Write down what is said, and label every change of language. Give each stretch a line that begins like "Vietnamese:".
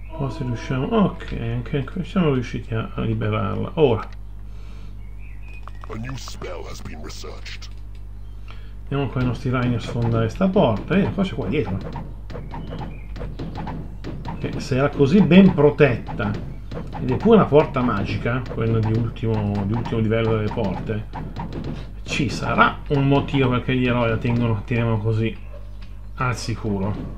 Italian: Se riusciamo, ok, anche siamo riusciti a liberarla ora.
English: A new spell has been researched.
Italian: Andiamo con i nostri rhino a sfondare sta porta. Vedi, qua c'è qua dietro. Che se era così ben protetta, ed è pure una porta magica, quella di ultimo livello delle porte, ci sarà un motivo perché gli eroi la tengono così al sicuro.